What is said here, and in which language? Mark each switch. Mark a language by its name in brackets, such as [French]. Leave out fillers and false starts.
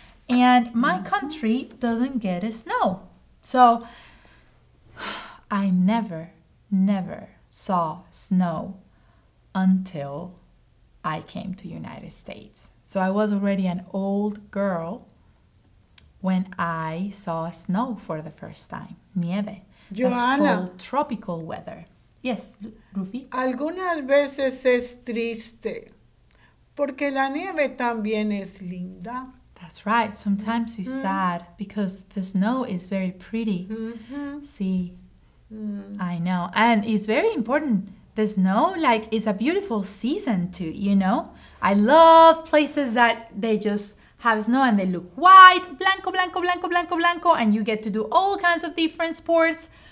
[English] And my country doesn't get a snow. So I never, never saw snow until I came to the United States. So I was already an old girl when I saw snow for the first time, nieve. Johanna, that's called tropical weather. Yes, Rufy. [Spanish] Algunas veces es triste, porque la nieve también es linda. [English] That's right. Sometimes it's sad because the snow is very pretty. See, I know, and it's very important. The snow, like, is a beautiful season too. You know, I love places that they just have snow and they look white, [Spanish] blanco, blanco, blanco, blanco, blanco, [English] and you get to do all kinds of different sports.